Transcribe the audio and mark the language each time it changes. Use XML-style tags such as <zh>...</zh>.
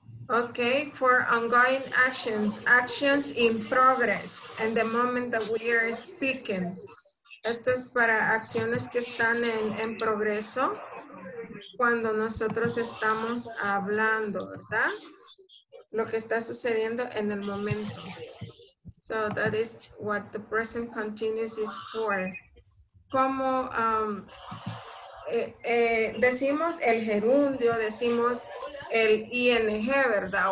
<en>Okay, for ongoing actions, actions in progress, in the moment that we are speaking.</en> <es>Esto es para acciones que están en progreso cuando nosotros estamos hablando, ¿verdad? Lo que está sucediendo en el momento.</es> <en>So that is what the present continuous is for.</en> <es>Como decimos el gerundio, decimos el ing, ¿verdad?</es>